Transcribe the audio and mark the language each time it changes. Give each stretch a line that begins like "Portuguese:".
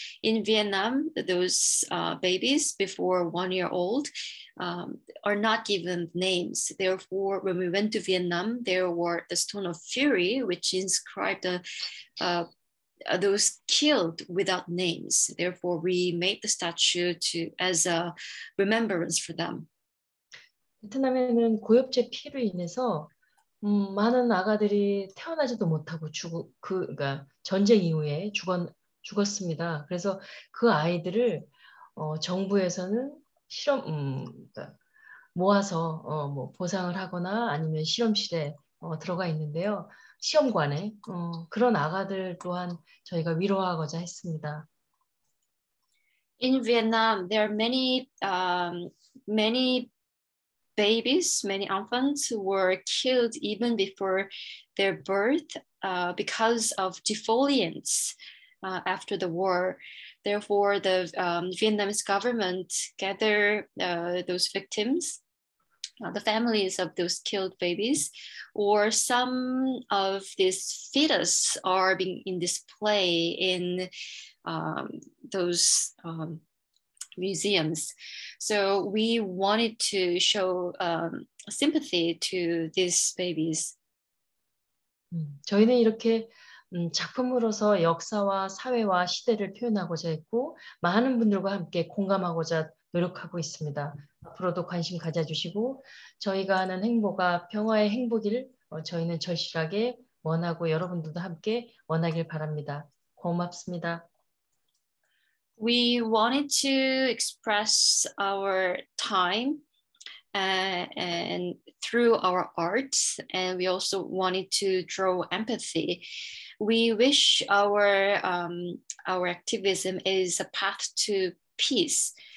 English: In Vietnam, those babies before 1 year old are not given names. Therefore, when we went to Vietnam, there were the Stone of Fury, which inscribed those killed without names. Therefore, we made the statue as a remembrance for them.
Korean: 베트남에는 고엽제 피해로 인해서 많은 아가들이 태어나지도 못하고 그러니까 전쟁 이후에 죽었습니다. 그래서 그 아이들을 정부에서는 실험 모아서 뭐 보상을 하거나 아니면 실험실에 들어가 있는데요. 시험관에 그런 아가들 또한 저희가 위로하고자 했습니다.
English: In Vietnam, there are many many babies, many infants who were killed even before their birth because of defoliants after the war. Therefore, the Vietnamese government gather those victims, the families of those killed babies, or some of these fetus are being in display in those museums. So we wanted to show sympathy to these babies.
Korean: 저희는 이렇게 작품으로서 역사와 사회와 시대를 표현하고자 했고 많은 분들과 함께 공감하고자 노력하고 있습니다. 앞으로도 관심 가져주시고 저희가 하는 행보가 평화의 행보길 저희는 절실하게 원하고 여러분들도 함께 원하길 바랍니다. 고맙습니다.
English: We wanted to express our time and through our art, and we also wanted to draw empathy. We wish our activism is a path to peace.